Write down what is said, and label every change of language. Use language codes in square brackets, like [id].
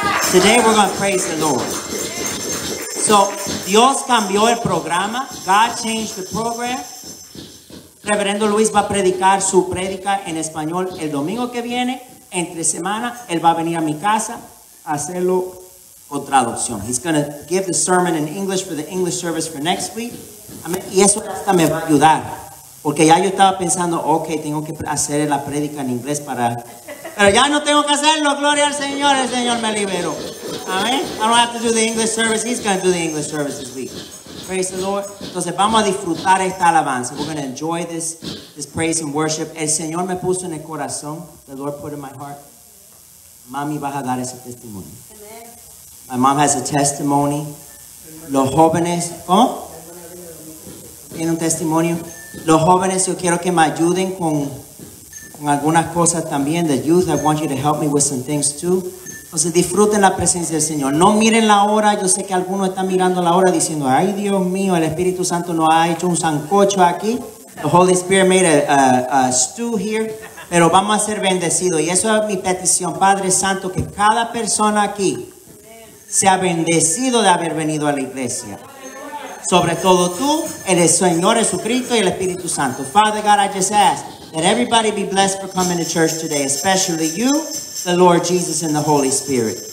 [en] Today we're going to praise the Lord. So, [es] Dios cambió el programa. [en] God changed the program. [es] Reverendo Luis va a predicar su prédica en español el domingo que viene. Entre semana, él va a venir a mi casa a hacerlo con traducción. [en] He's going to give the sermon in English for the English service for next week. [es] Y eso hasta me va a ayudar. Porque ya yo estaba pensando, ok, tengo que hacer la prédica en inglés para... Pero ya no tengo que hacerlo. Gloria al Señor. El Señor me liberó. Amén. [en] I don't have to do the English service. He's going to do the English service this week. Praise the Lord. [es] Entonces vamos a disfrutar esta alabanza. [en] We're going to enjoy this praise and worship. [es] El Señor me puso en el corazón. [en] The Lord put in my heart. [es] Mami, vas a dar ese testimonio. [en] Amen. My mom has a testimony. [es] Los jóvenes. ¿Cómo? Tiene un testimonio. Los jóvenes, yo quiero que me ayuden con... con algunas cosas también. [en] The youth, I want you to help me with some things too. [es] Entonces disfruten la presencia del Señor. No miren la hora. Yo sé que algunos están mirando la hora diciendo, ay Dios mío, el Espíritu Santo nos ha hecho un sancocho aquí. [en] The Holy Spirit made a stew here. [es] Pero vamos a ser bendecidos. Y eso es mi petición, Padre Santo, que cada persona aquí sea bendecido de haber venido a la iglesia. Sobre todo tú, el Señor Jesucristo y el Espíritu Santo. [en] Father God, I just ask that everybody be blessed for coming to church today, especially you, the Lord Jesus, and the Holy Spirit.